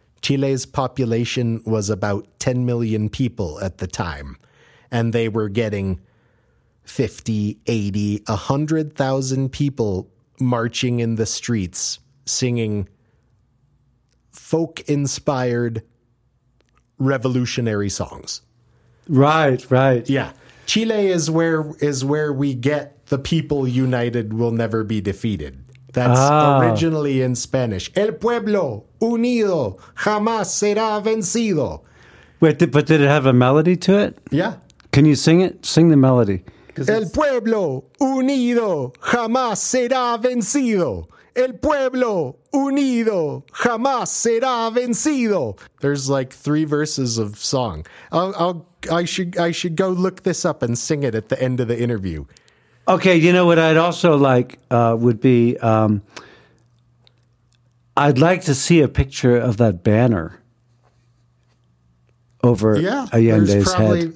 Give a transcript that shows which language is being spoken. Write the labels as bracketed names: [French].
[English] Chile's population was about 10 million people at the time, and they were getting 50, 80, 100,000 people marching in the streets, singing folk-inspired revolutionary songs. Right, right. Yeah. Chile is where we get "The people united will never be defeated." That's originally in Spanish. [Spanish] El pueblo unido jamás será vencido. [English] Wait, but did it have a melody to it? Yeah. Can you sing it? Sing the melody. [Spanish] El pueblo unido jamás será vencido. El pueblo unido jamás será vencido. [English] There's like three verses of song. I should go look this up and sing it at the end of the interview. Okay, you know what I'd also like would be, I'd like to see a picture of that banner over Allende's head.